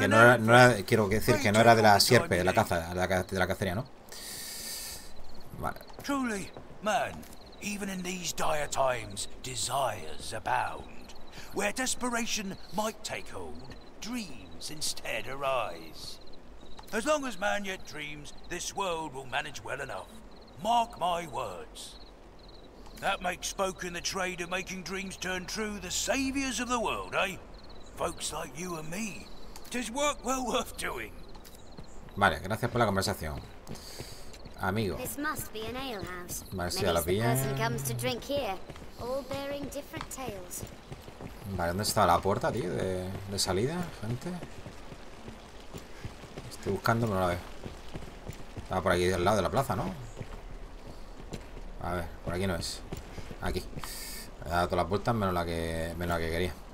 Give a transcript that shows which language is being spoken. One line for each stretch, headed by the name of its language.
Spanish: que no era, no era, quiero decir que no era de la sierpe, de la cacería, ¿no? Vale.
English: Truly, man. Even in these dire times, desires abound. Where desperation might take hold, dreams instead arise. As long as man yet dreams, this world will manage well enough. Mark my words. That makes folk in the trade of making dreams turn true the saviors of the world, eh? folks like you and me. Does work well worth doing.
Spanish: Vale, gracias por la conversación. Amigo.
English: This must be an ale house.
Spanish: Vale, sí, a la pilla.
English: Many people come to drink here, all bearing different tales.
Spanish: Vale, ¿dónde está la puerta, tío, de salida, gente? Estoy buscando, pero no la veo. Estaba por aquí al lado de la plaza, ¿no? A ver, por aquí no es. Aquí. He dado todas las puertas menos la que quería.